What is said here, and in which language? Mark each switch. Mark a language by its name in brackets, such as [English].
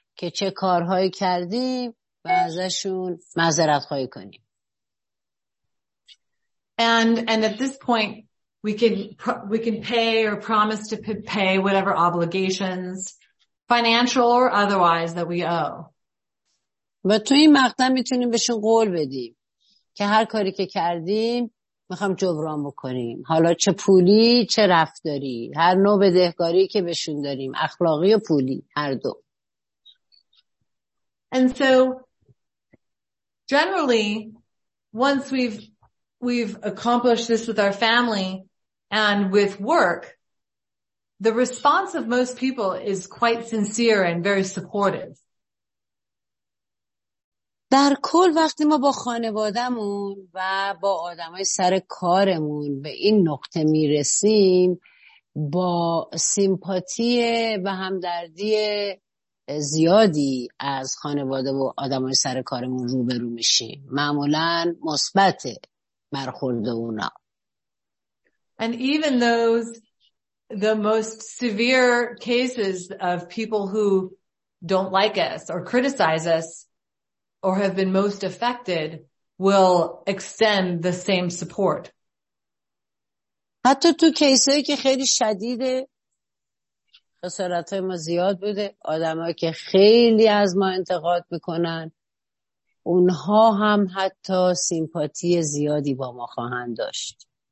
[Persian] که چه کارهایی کردیم و ازشون معذرت خواهی کنیم. [English] And at this point we can pay or promise to pay whatever obligations, financial or otherwise, that we owe. [Persian] و تو این مقطع میتونیم بهشون قول بدیم که هر کاری که کردیم میخوام جبران بکنیم، حالا چه پولی چه رفتاری، هر نوع بدهکاری که بهشون داریم، اخلاقی و پولی، هر دو. [English] And so generally once we've accomplished this with our family and with work, the response of most people is quite sincere and very supportive. [Persian] در کل وقتی ما با خانوادهمون و با آدمای سر کارمون به این نقطه میرسیم، با سیمپاتی و همدردی زیادی از خانواده و آدمای سر کارمون روبرو میشیم، معمولا مثبت برخورد اونا. [English] And even those the most severe cases of people who don't like us or criticize us or have been most affected will extend the same support. [Persian] حتی تو کیسایی که خیلی شدیده، خسارت‌های ما زیاد بوده، آدم‌هایی که خیلی از ما انتقاد می‌کنن، اونها هم حتی سیمپاتی زیادی با ما خواهند داشت.